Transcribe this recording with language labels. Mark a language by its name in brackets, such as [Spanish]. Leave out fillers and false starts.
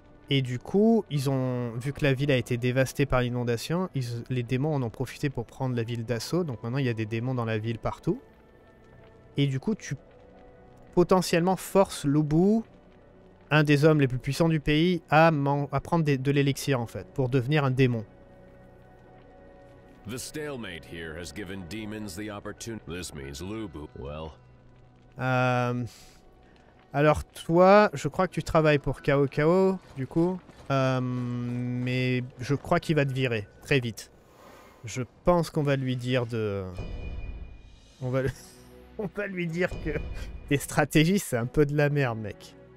[French] Et du coup, ils ont vu que la ville a été dévastée par l'inondation, les démons en ont profité pour prendre la ville d'assaut. Donc maintenant, il y a des démons dans la ville partout. Et du coup, tu potentiellement forces Lu Bu, un des hommes les plus puissants du pays, à prendre de l'élixir en fait, pour devenir un démon. [English] The stalemate here has given demons the opportunity. This means Lu Bu. Well. [French] Alors toi, je crois que tu travailles pour Cao Cao, du coup. Mais je crois qu'il va te virer très vite. Je pense qu'on va lui dire de. On va lui dire que tes stratégies, c'est un peu de la merde, mec.